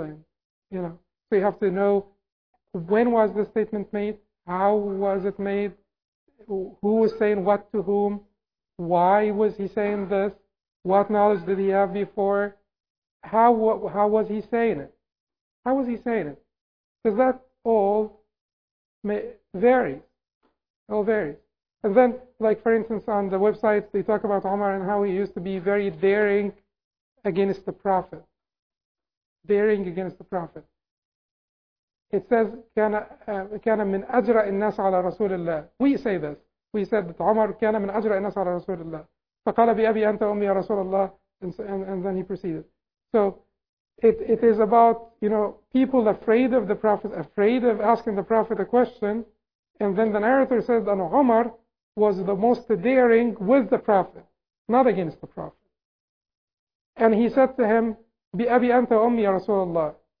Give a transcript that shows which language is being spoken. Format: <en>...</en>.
<en>And, you know, so you have to know when was the statement made, how was it made, who was saying what to whom, why was he saying this, what knowledge did he have before, how was he saying it. How was he saying it? Because that all varies. It all varies. And then, like for instance, on the websites, they talk about Umar and how he used to be very daring against the Prophet. Daring against the Prophet. It says,</en> <ar>كان من أجرى الناس على رسول الله.</ar> <en>We say this. We said that Umar</en> <ar>كان من أجرى الناس على رسول الله. فقال بأبي أنت أمي يا رسول الله.</ar> <en>And then he proceeded. So, It is about, you know, people afraid of the Prophet, afraid of asking the Prophet a question. And then the narrator says that Umar was the most daring with the Prophet, not against the Prophet. And he said to him,</en> <ar>Bi abi anta ummi ya Rasulullah.</ar>